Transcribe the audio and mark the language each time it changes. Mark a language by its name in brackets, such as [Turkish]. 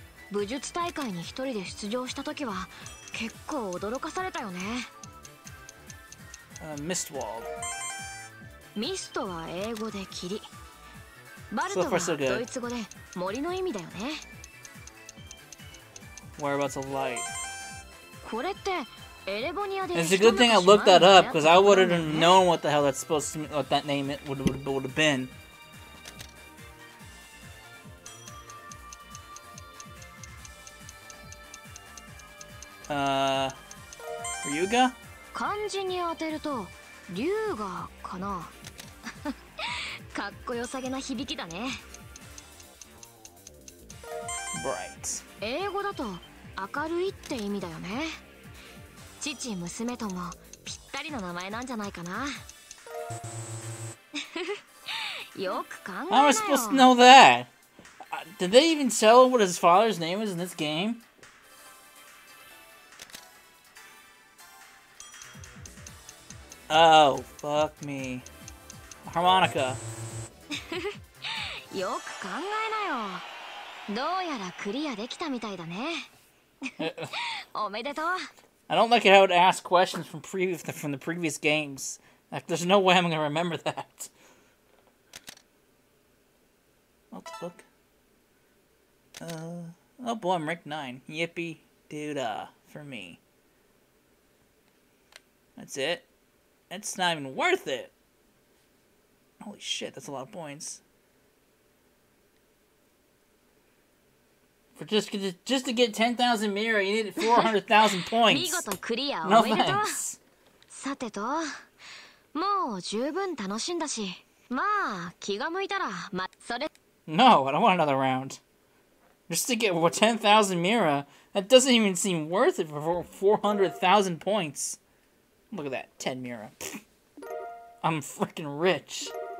[Japanese] 武術大会に一人で出場した時は結構驚かされたよね。 [English] Mistwall. [Japanese] ミストは英語で霧。バルトはドイツ語で森の意味だよね。 [English] Whereabouts of light? [Japanese] これって [English] It's a good thing I looked that up because I wouldn't have known what the hell that's supposed to what that name it would have been. Ryuga? [Japanese] 漢字に当てると龍がかな。かっこよさげな響きだね。 [English] Bright. [Japanese] 英語だと明るいって意味だよね。父娘ともぴったりの名前なんじゃないかな。よく考えなよ。 [English] How am I supposed to know that? Did they even tell him what his father's name is in this game? Oh, fuck me. Harmonica. [Japanese] よく考えなよ。どうやらクリアできたみたいだね。おめでとう。 [English] I don't like it how to ask questions from the previous games. Like, there's no way I'm gonna remember that. What the fuck? Oh boy, I'm rank 9. Yippee doodah for me. That's it. That's not even worth it. Holy shit, that's a lot of points. For just to get 10,000 mirror, you needed 400,000 points. [Japanese] 見事クリアおめでとう。さてと、もう十分楽しんだし、まあ気が向いたらまそれ。 [English] No, I don't want another round. Just to get 10,000 mirror, that doesn't even seem worth it for 400,000 points. Look at that, 10 mirror. I'm freaking rich.